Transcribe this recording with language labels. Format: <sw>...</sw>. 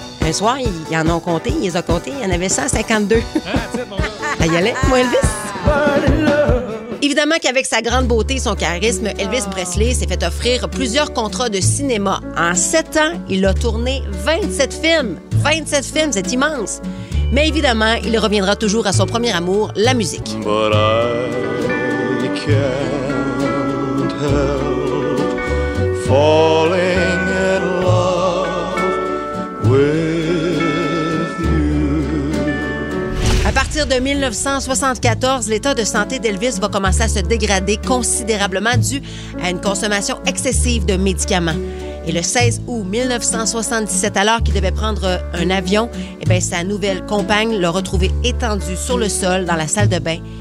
<fr>Un soir, ils en ont compté, ils ont compté, il y en avait 152. Ben, y allait, moi, Elvis. Évidemment qu'avec sa grande beauté et son charisme, Elvis Presley s'est fait offrir plusieurs contrats de cinéma. En 7 ans, il a tourné 27 films. 27 films, c'est immense. Mais évidemment, il reviendra toujours à son premier amour, la musique.</fr> <en>But I can't help falling in love with.</en> <fr>À partir de 1974, l'état de santé d'Elvis va commencer à se dégrader considérablement dû à une consommation excessive de médicaments. Et le 16 août 1977, alors qu'il devait prendre un avion, eh bien, sa nouvelle compagne l'a retrouvé étendu sur le sol dans la salle de bain.</fr>